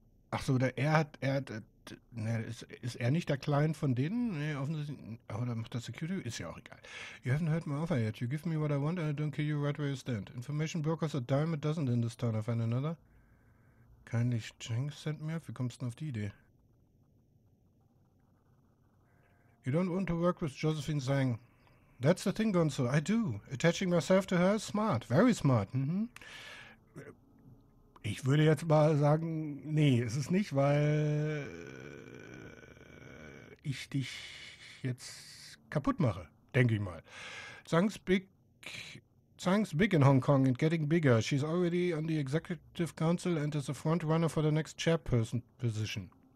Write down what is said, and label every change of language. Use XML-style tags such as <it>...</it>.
<de>Ach so, ist er nicht der Client von denen? Nee, offensichtlich. Oder macht das Security? Ist ja auch egal.</de> <en>You haven't heard my offer yet. You give me what I want and I don't kill you right where you stand. Information brokers are dime a dozen in this town, I find another. Kindly Jenks sent me up. Wie kommst du denn auf die Idee? You don't want to work with Josephine Zhang. That's the thing, Gonzo. I do. Attaching myself to her is smart. Very smart. Mm-hmm.</en> <de>Ich würde jetzt mal sagen, nee, es ist nicht, weil ich dich jetzt kaputt mache, denke ich mal.</de> <en>Zhang's big in Hong Kong and getting bigger. She's already on the executive council and is a front runner for the next chairperson position.</en>